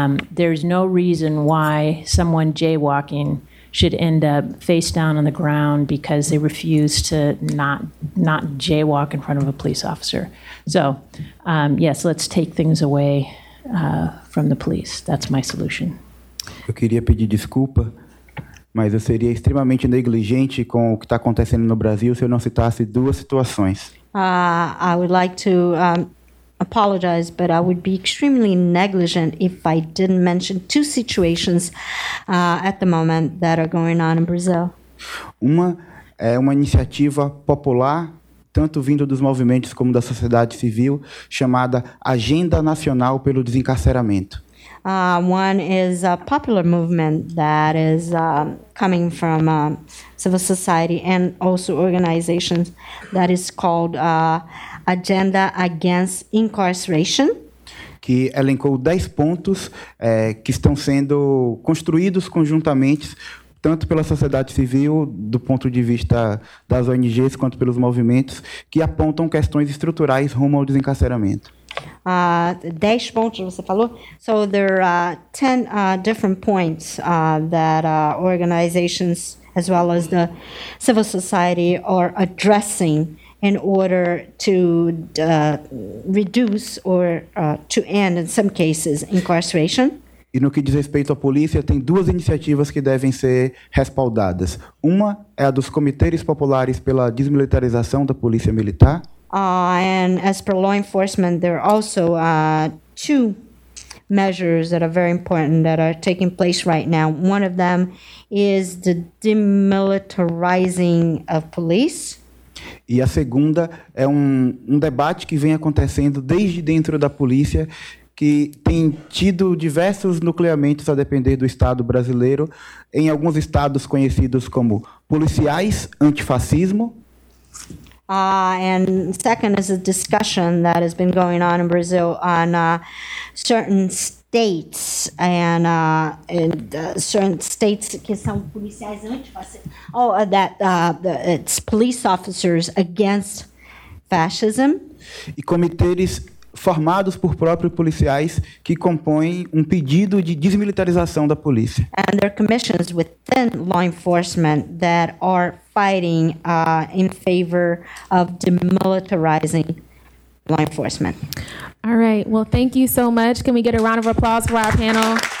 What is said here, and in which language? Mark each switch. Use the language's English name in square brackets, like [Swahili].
[English] There's no reason why someone jaywalking should end up face down on the ground because they refuse to not jaywalk in front of a police officer. So, yes, let's take things away from the police. That's my solution. [Portuguese] Eu queria pedir desculpa, mas eu seria extremamente negligente com o que está acontecendo no Brasil se eu não citasse duas situações. [English] I would like to apologize, but I would be extremely negligent if I didn't mention two situations at the moment that are going on in Brazil. [Portuguese] Uma é uma iniciativa popular, tanto vindo dos movimentos como da sociedade civil, chamada Agenda Nacional pelo Desencarceramento. [English] One is a popular movement that is coming from civil society and also organizations that is called Agenda Against Incarceration. [Portuguese] Que elencou 10 pontos que estão sendo construídos conjuntamente, tanto pela sociedade civil, do ponto de vista das ONGs, quanto pelos movimentos, que apontam questões estruturais rumo ao desencarceramento. 10 pontos, você falou? [English] So there are 10 different points that organizations, as well as the civil society, are addressing in order to reduce or to end, in some cases, incarceration. [Portuguese] E no que diz respeito à polícia, tem duas iniciativas que devem ser respaldadas. Uma é a dos comitês populares pela desmilitarização da polícia militar. [English] And as per law enforcement, there are also two measures that are very important that are taking place right now. One of them is the demilitarizing of police. [Portuguese] E a segunda é um debate que vem acontecendo desde dentro da polícia, que tem tido diversos nucleamentos a depender do Estado brasileiro, em alguns estados conhecidos como policiais antifascismo. [English] And second is a discussion that has been going on in Brazil on certain states [Portuguese] que são policiais antifascistas. [English] It's police officers against fascism. [Portuguese] E comitês formados por próprios policiais que compõem um pedido de desmilitarização da polícia. [English] And there are commissions within law enforcement that are fighting in favor of demilitarizing law enforcement. All right. Well, thank you so much. Can we get a round of applause for our panel?